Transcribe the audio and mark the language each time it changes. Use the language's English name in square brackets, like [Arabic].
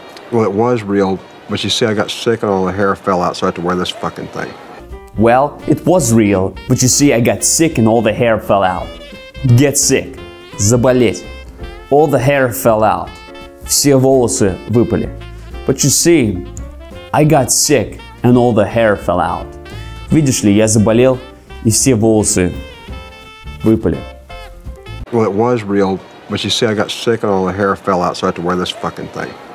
[English] Well, it was real, but you see, I got sick and all the hair fell out, so I had to wear this fucking thing. Well, it was real, but you see, I got sick and all the hair fell out. Get sick. Заболеть. All the hair fell out. [Russian] Все волосы выпали. [English] But you see, I got sick and all the hair fell out. [Russian] Видишь ли, я заболел, и все волосы выпали. [English] Well, it was real, but you see, I got sick and all the hair fell out, so I had to wear this fucking thing.